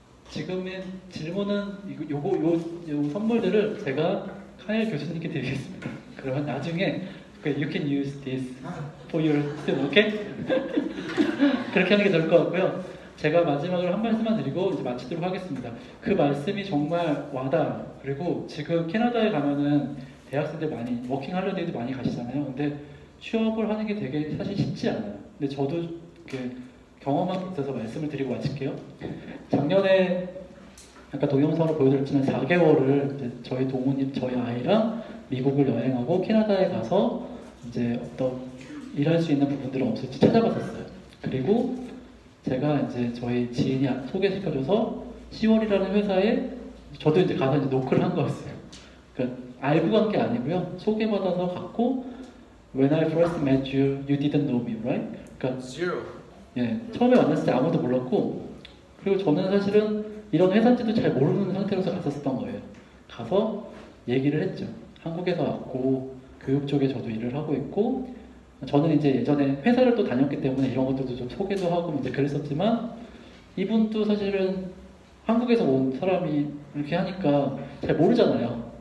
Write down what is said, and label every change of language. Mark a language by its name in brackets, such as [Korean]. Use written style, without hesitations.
[Korean] 지금은 질문은 요 선물들을 제가 카엘 교수님께 드리겠습니다. 그러면 나중에 [English] okay, you can use this for your student, okay? [Korean] 그렇게 하는 게 좋을 것 같고요. 제가 마지막으로 한 말씀만 드리고 이제 마치도록 하겠습니다. 그 말씀이 정말 와닿아요. 그리고 지금 캐나다에 가면은 대학생들 많이, 워킹 할리데이도 많이 가시잖아요. 근데 취업을 하는 게 되게 사실 쉽지 않아요. 근데 저도 경험하고 있어서 말씀을 드리고 마칠게요. 작년에 아까 동영상으로 보여드렸지만 4개월을 이제 저희 동호님, 저희 아이랑 미국을 여행하고 캐나다에 가서 이제 어떤 일할 수 있는 부분들은 없을지 찾아봤었어요. 그리고 제가 이제 저희 지인이 소개시켜줘서 10월이라는 회사에 저도 이제 가서 이제 노크를 한 거였어요. 그러니까 알고 간 게 아니고요. 소개받아서 갔고 [English] When I first met you, you didn't know me, right? [Korean] 그러니까 [English] Zero. [Korean] 예, 처음에 만났을 때 아무도 몰랐고 그리고 저는 사실은 이런 회사인지도 잘 모르는 상태로서 갔었던 거예요. 가서 얘기를 했죠. 한국에서 왔고 교육 쪽에 저도 일을 하고 있고 저는 이제 예전에 회사를 또 다녔기 때문에 이런 것들도 좀 소개도 하고 이제 그랬었지만 이분도 사실은 한국에서 온 사람이 이렇게 하니까 잘 모르잖아요.